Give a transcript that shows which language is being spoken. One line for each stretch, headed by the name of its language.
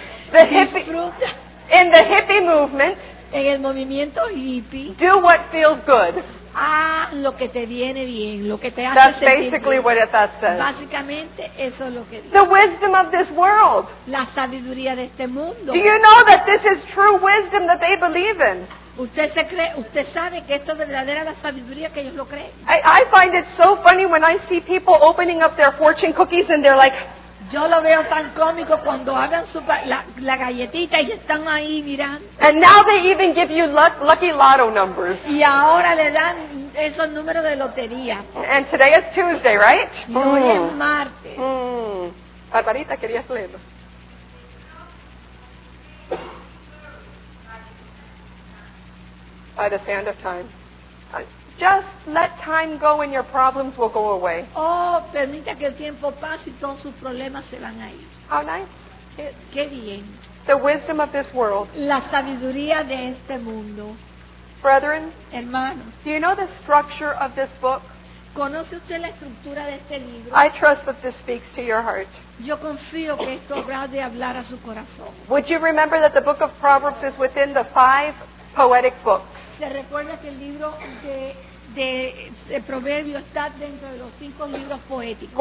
English: The hippie, in the hippie movement,
Spanish: en el movimiento hippie,
English: do what feels good.
Spanish: Ah, lo que te viene bien, lo que te hace
English: that's
Spanish: sentir
English: basically
Spanish: bien.
English: What that says.
Spanish: Básicamente, eso es lo que dice.
English: The wisdom of this world.
Spanish: La sabiduría de este mundo.
English: Do you know that this is true wisdom that they believe in?
Spanish: Usted se cree, usted sabe que esto es verdadera la sabiduría que ellos lo creen.
English: I find it so funny when I see people opening up their fortune cookies and they're like.
Spanish: Yo lo veo tan cómico cuando abren su la galletita y están ahí mirando.
English: And now they even give you lucky lotto numbers.
Spanish: Y ahora le dan esos números de lotería.
English: And today is Tuesday, right?
Spanish: Y hoy es martes. Barbarita, ¿querías leerlo?
English: By the sand of time. Just let time go and your problems will go away.
Spanish: Oh, permita que el tiempo pase y todos sus problemas se van a ir.
English: How nice.
Spanish: Qué bien.
English: The wisdom of this world.
Spanish: La sabiduría de este mundo.
English: Brethren.
Spanish: Hermanos.
English: Do you know the structure of this book?
Spanish: ¿Conoce usted la estructura de este libro?
English: I trust that this speaks to your heart.
Spanish: Yo confío que esto habrá de hablar a su corazón.
English: Would you remember that the book of Proverbs is within the five poetic books?
Spanish: ¿Se recuerda que el libro de Proverbios está dentro de los cinco libros poéticos?